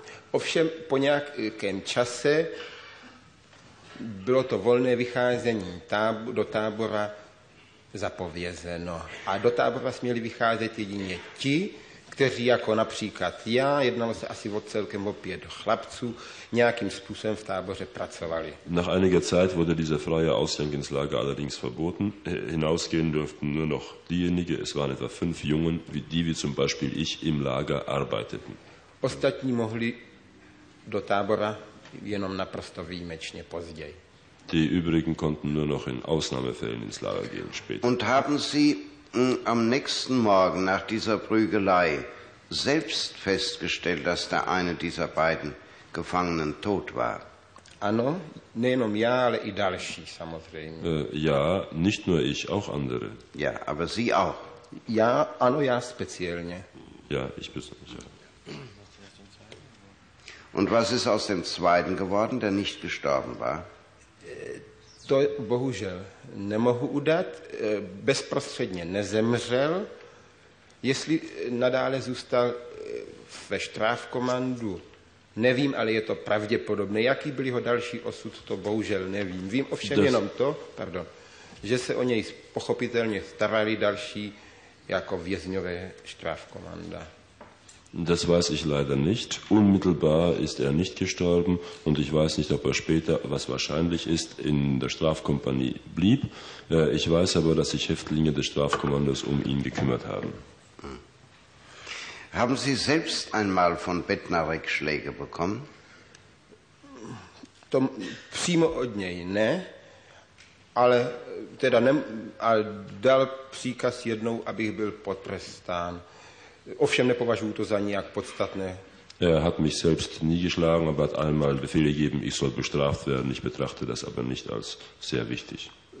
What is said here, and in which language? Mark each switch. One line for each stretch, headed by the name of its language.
Czech: Ovšem po nějakém čase bylo to volné vycházení do tábora zapovězeno. A do tábora směli vycházet jedině ti, kteří jako například já, jednalo se asi o celkem o 5 chlapců, nějakým způsobem v táboře pracovali.
German: Nach einiger Zeit wurde dieser freie Ausgang ins Lager allerdings verboten. Hinausgehen durften nur noch diejenige, es waren etwa 5 Jungen, wie zum Beispiel ich, im Lager arbeiteten.
Czech: Ostatní mohli do tábora jenom naprosto výjimečně později.
German: Die übrigen konnten nur noch in Ausnahmefällen ins Lager gehen später. Und haben Sie am nächsten Morgen nach dieser Prügelei selbst festgestellt, dass der eine dieser beiden Gefangenen tot war?
Czech: Ano, nejenom já, ale i další, samozřejmě.
German: Ja, nicht nur ich, auch andere. Ja, aber Sie auch.
Czech: Ja, ano, já speziellně.
German: Ja, ich besonders. Ja. Und was ist aus dem zweiten geworden, der nicht gestorben war?
Czech: To bohužel nemohu udat, bezprostředně nezemřel. Jestli nadále zůstal ve strafkomandu, nevím, ale je to pravděpodobné. Jaký byl jeho další osud, to bohužel nevím. Vím ovšem jenom to, pardon, že se o něj pochopitelně starali další jako vězňové strafkomanda.
German: Das weiß ich leider nicht. Unmittelbar ist er nicht gestorben und ich weiß nicht, ob er später, was wahrscheinlich ist, in der Strafkompanie blieb. Ich weiß aber, dass sich Häftlinge des Strafkommandos um ihn gekümmert haben. Haben Sie selbst einmal von Bednárek Schläge bekommen?
Czech: to přímo od něj ne, ale teda ne, ale dal příkaz jednou, abych byl potrestán. Ovšem nepovažuji to za nějak podstatné.
German: Er hat mich selbst nie geschlagen, aber hat einmal Befehl gegeben, ich soll bestraft werden. Ich betrachte das aber nicht als sehr wichtig.